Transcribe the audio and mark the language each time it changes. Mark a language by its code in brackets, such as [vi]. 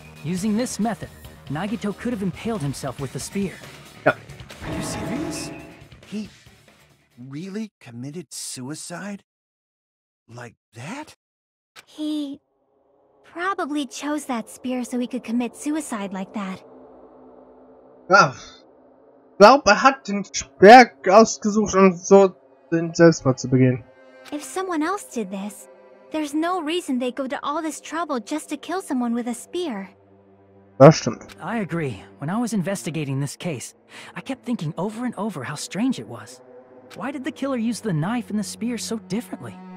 [en] Using this method, Nagito could have impaled himself with the spear. Yep. Are you serious? He really committed suicide? Like that? He probably chose that spear so he could commit suicide like that. [de] Glaub, er hat den Speer ausgesucht, um so den Selbstmord zu begehen. [en] If someone else did this, there's no reason they go to all this trouble just to kill someone with a spear. [de] Das stimmt. [en] I agree. When I was investigating this case, I kept thinking over and over how strange it was. Why did the killer use the knife and the spear so differently?